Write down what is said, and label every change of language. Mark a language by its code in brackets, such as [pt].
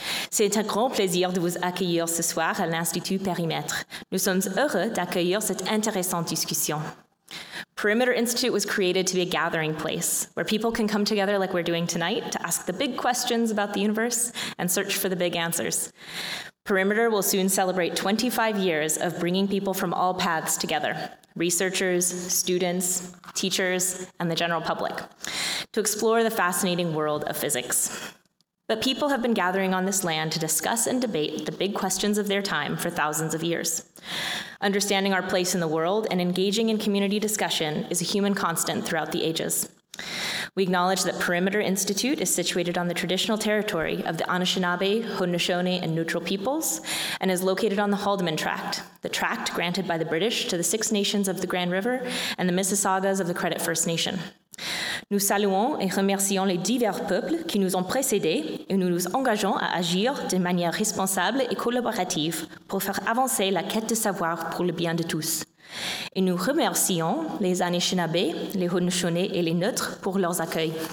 [fr] C'est un grand plaisir de vous accueillir ce soir à l'Institut Périmètre. Nous sommes heureux d'accueillir cette intéressante discussion. [en] Perimeter Institute was created to be a gathering place where people can come together like we're doing tonight to ask the big questions about the universe and search for the big answers. Perimeter will soon celebrate 25 years of bringing people from all paths together, researchers, students, teachers, and the general public, to explore the fascinating world of physics. But people have been gathering on this land to discuss and debate the big questions of their time for thousands of years. Understanding our place in the world and engaging in community discussion is a human constant throughout the ages. We acknowledge that Perimeter Institute is situated on the traditional territory of the Anishinaabe, Haudenosaunee, and Neutral peoples, and is located on the Haldimand Tract, the tract granted by the British to the Six Nations of the Grand River and the Mississaugas of the Credit First Nation. [fr] Nous saluons et remercions les divers peuples qui nous ont précédés et nous nous engageons à agir de manière responsable et collaborative pour faire avancer la quête de savoir pour le bien de tous. Et nous remercions les Anishinaabe, les Haudenosaunee et les Neutres pour leurs accueils.